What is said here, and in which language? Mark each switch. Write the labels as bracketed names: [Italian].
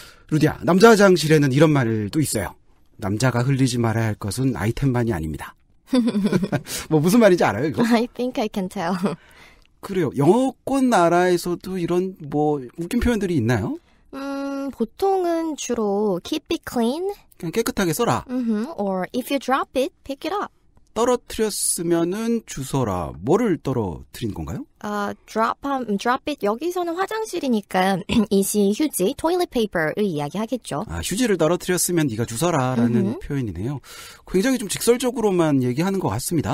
[Korean] 루디야, 남자 화장실에는 이런 말도 있어요. 남자가 흘리지 말아야 할 것은 아이템만이 아닙니다. 뭐 무슨 말인지 알아요, 이거? [English] I think I can tell. [Korean] 그래요. 영어권 나라에서도 이런 뭐 웃긴 표현들이 있나요? 보통은 주로 [English] keep it clean. [Korean] 그냥 깨끗하게 써라. [English] Or if you drop it, pick it up. [Korean] 떨어뜨렸으면은 주워라. 뭐를 떨어뜨린 건가요? [English] Drop it. [Korean] 여기서는 화장실이니까 이시 휴지, toilet paper를 이야기하겠죠. 아, 휴지를 떨어뜨렸으면 네가 주워라라는 표현이네요. 굉장히 좀 직설적으로만 얘기하는 것 같습니다.